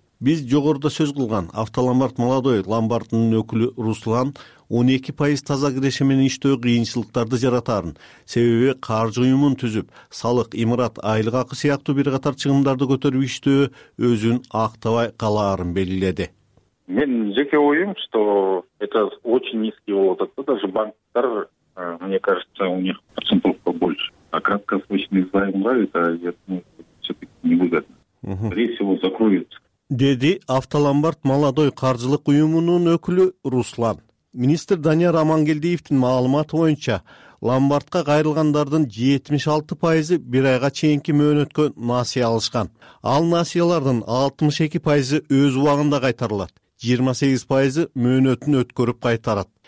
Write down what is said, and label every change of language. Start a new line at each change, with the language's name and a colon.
Kyrgyz: Биз жогоруда сөз кылган автоломбард Молодой ломбардынын өкүлү Руслан 12% таза киреши менен иштөө кыйынчылыктарды жаратарын, себеби каржы уюмун түзүп, салык, имарат, айлык акы сыяктуу бир катар чыгымдарды көтөрүп иштөө өзүн актабай калаарын белгиледи. Мен жеке оюм,
Russian: что это очень низкий
Kyrgyz: болуп атат.
Russian: Даже банктар, мне кажется, у них процентовка больше. А краткосрочный займ, это все-таки невыгодно. Скорее всего, закроются.
Kyrgyz: Деди автоломбард Молодой каржылык уюмунун өкүлү Руслан. Министр Данияр Амангелдиевдин маалыматы боюнча ломбардка кайрылгандардын 76% бир айга чейинки мөөнөткө насыя алышкан. Ал насыялардын 62% өз убагында кайтарылат, 28% мөөнөтүн өткөрүп кайтарат.